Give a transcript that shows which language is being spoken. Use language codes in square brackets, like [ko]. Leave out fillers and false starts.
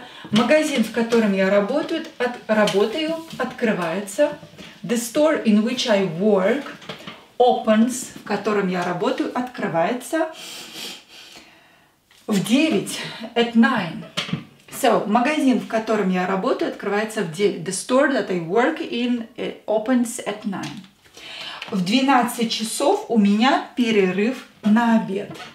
[ru] Магазин, в котором я работаю, открывается. [en] The store in which I work opens, [ru] в котором я работаю, открывается в 9, [en] at 9. [ru] So, магазин, в котором я работаю, открывается в 9. [en] The store that I work in opens at 9. [ru] В 12 часов у меня перерыв на обед.